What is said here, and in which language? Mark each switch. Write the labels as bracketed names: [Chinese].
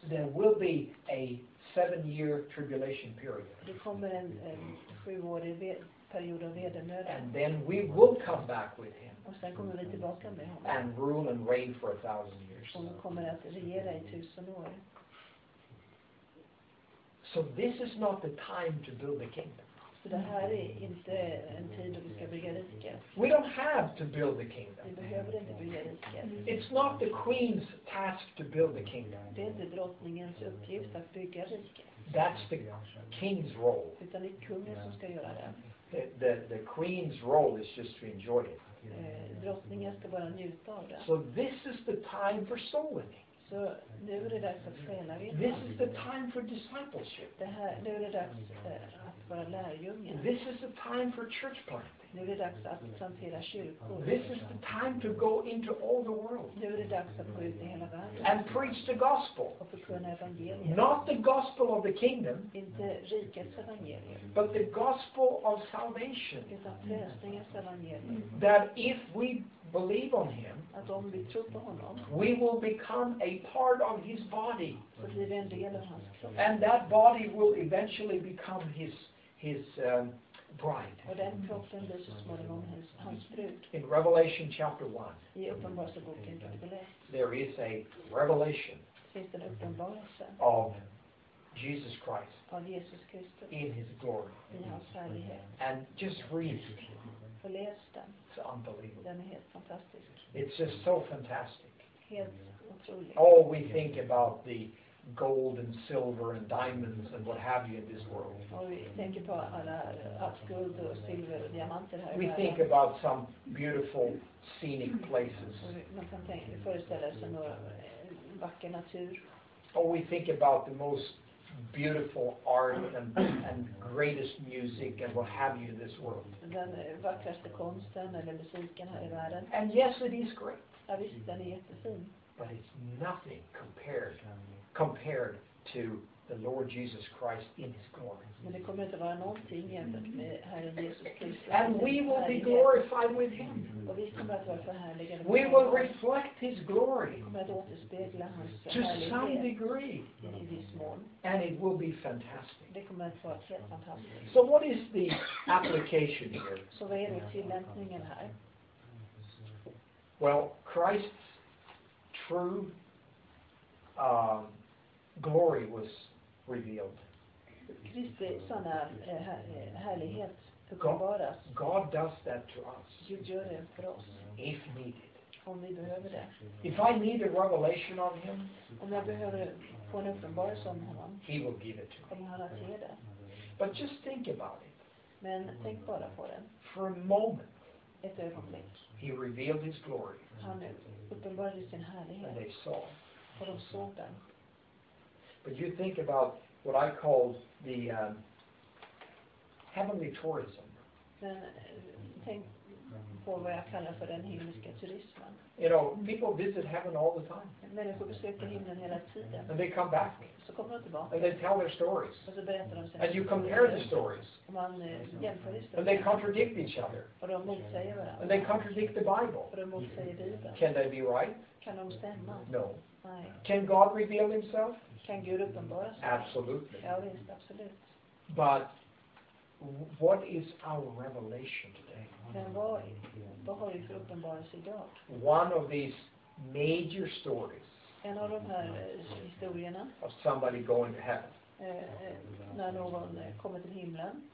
[English] There will be a 7-year tribulation period. [Swedish] Det kommer en 7-årig period av vedermöda. [English] And then we will come back with him. [Swedish] Och sen kommer vi tillbaka med honom. [English] And rule and reign for 1,000 years. [Swedish] Och kommer att regera i 1,000 år. [English] So this is not the time to build the kingdom. [Swedish] Så det här är inte en tid då vi ska bygga riket. [English] We don't have to build the kingdom. [Swedish] Vi behöver inte bygga riket. [English] It's not the queen's task to build the kingdom. [Swedish] Det är inte drottningens uppgift att bygga riket. [English] That's the king's role. [Swedish] Utan det är kungen som ska göra det. [English] The queen's role is just to enjoy it. [Swedish] Drottningen ska bara njuta av det. [English] So this is the time for soul winning. [Swedish] Så nu är det dags att träna vid. [English] This is the time for discipleship. [Swedish] Det här, nu är det dags att vara lärjungen. [English] This is the time for church planting. [Swedish] Nu är det dags att plantera kyrkor. [English] This is the time to go into all the world. [Swedish] Nu är det dags att gå ut i hela världen. [English] And preach the gospel. [Swedish] Och förkunna evangeliet. [English] Not the gospel of the kingdom. [Swedish] Inte rikets evangelium. [English] But the gospel of salvation. [Swedish] Utan frälsningens evangelium. [English] That if we believe on him, [Swedish] att om vi tror på honom, [English] we will become a part of his body. [Swedish] Så blir vi en del av hans kropp. [English] And that body will eventually become his bride. [Swedish] Och den kroppen blir så småningom hans brud. [English] In Revelation chapter 1. [Swedish] I Uppenbarelseboken kapitel 1. [English] There is a revelation. [Swedish] Finns det en uppenbarelse. [English] Of Jesus Christ. [Swedish] Av Jesus Kristus. [English] In his glory. [Swedish] I hans härlighet. [English] And just read it. [Swedish] Och läs den. [English] It's unbelievable. [Swedish] Den är helt fantastisk. [English] It's just so fantastic. [Swedish] Helt otroligt. [English] All we think about the gold and silver and diamonds and what have you in this world. [Swedish] Och vi tänker på alla guld och silver och diamanter här. [English] We think about some beautiful scenic places. [Swedish] Man kan tänka, föreställa sig några vacker natur. [English] Or we think about the most beautiful art and greatest music and what have you in this world. [Swedish] Den vackraste konsten eller musiken här i världen. [English] And yes, it is great. [Swedish] Ja, visst, den är jättefin. [English] But it's nothing compared to the Lord Jesus Christ in his glory. [Swedish] Men det kommer inte vara någonting jämfört med Herren Jesus Kristus. [English] And we will be glorified with him. [Swedish] Och vi kommer att vara förhärligade. [English] We will reflect his glory. [Swedish] Vi kommer att återspegla hans härlighet. [English] To some degree. [Swedish] I viss mån. [English] And it will be fantastic. [Swedish] Det kommer att vara helt fantastiskt. [English] So what is the application here? [Swedish] Så vad är tillämpningen här? [English] Well, Christ's true glory was revealed. [Swedish] Kristi sanna härlighet uppenbaras. [English] God does that to us. [Swedish] Gud gör det för oss. [English] If needed. [Swedish] Om vi behöver det. [English] If I need a revelation of him, [Swedish] om jag behöver få en uppenbarelse om honom, [English] he will give it to me. [Swedish] Kommer han att ge det. [English] But just think about it. [Swedish] Men tänk bara på det. [English] For a moment. [Swedish] Ett ögonblick. [English] He revealed his glory. [Swedish] Han uppenbarade sin härlighet. [English] And they saw. [Swedish] Och de såg den. [English] But you think about what I call the heavenly tourism. [Swedish] Men tänk på vad jag kallar för den himmelska turismen. [English] You know, people visit heaven all the time. [Swedish] Människor besöker himlen hela tiden. [English] And they come back. [Swedish] Så kommer de tillbaka. [English] And they tell their stories. [Swedish] Och så berättar de sina. [English] And you compare the stories. [Swedish] Och man jämför historier. [English] And they contradict each other. [Swedish] Och de motsäger varandra. [English] And they contradict the Bible. [Swedish] Och de motsäger Bibeln. [English] Can they be right? [Swedish] Kan de stämma? [English] No. [Swedish] Nej. [English] Can God reveal himself? [Swedish] Kan Gud uppenbara sig? [English] Absolutely. [Swedish] Ja, visst, absolut. [English] But what is our revelation today? [Swedish] Men vad har vi för uppenbarelse idag? [English] One of these major stories. [Swedish] En av de här historierna. [English] Of somebody going to heaven. [Swedish] När någon kommer till himlen.